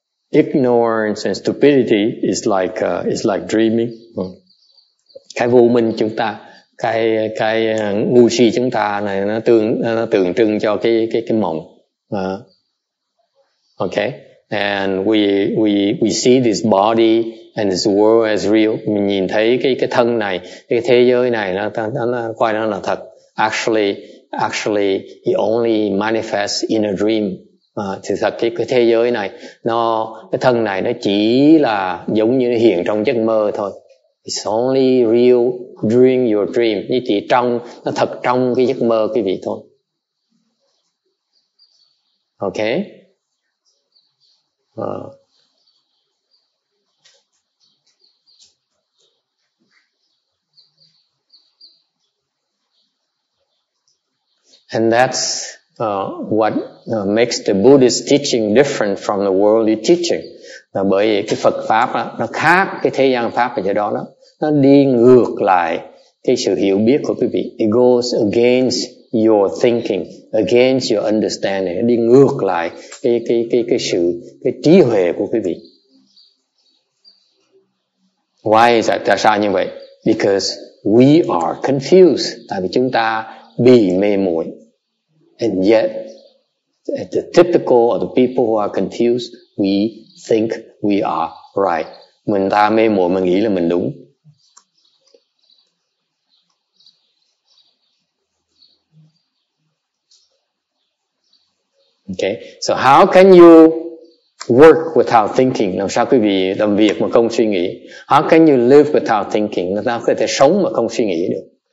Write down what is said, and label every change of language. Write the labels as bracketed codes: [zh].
[en] Ignorance and stupidity is like dreaming. [vi] Cái vô minh chúng ta, cái ngu si chúng ta này nó tượng trưng cho cái mộng. [en] Okay, and we see this body and this world as real. [vi] Mình nhìn thấy cái thân này, cái thế giới này nó coi nó là thật. [en] Actually, it only manifests in a dream. [vi] Thì thật cái thế giới này, cái thân này nó chỉ là giống như nó hiện trong giấc mơ thôi. [en] It's only real during your dream. [vi] Như chỉ trong, nó thật trong cái giấc mơ quý vị thôi. [en] Ok. And that's what makes the Buddhist teaching different from the worldly teaching. [vi] Bởi vì cái Phật Pháp đó, nó khác cái thế gian Pháp ở chỗ đó. Nó đi ngược lại cái sự hiểu biết của quý vị. [en] It goes against your thinking, against your understanding. [vi] Nó đi ngược lại cái trí huệ của quý vị. [en] Why is that? [vi] Tại sao như vậy? [en] Because we are confused. [vi] Tại vì chúng ta bị mê muội. [en] And yet, at the typical of the people who are confused, we think we are right. [vi] Mình ta mê muội, mình nghĩ là mình đúng. [en] Okay, so how can you work without thinking? [vi] Làm sao quý vị làm việc mà không suy nghĩ? [en] How can you live without thinking? [vi] Làm sao có thể sống mà không suy nghĩ được?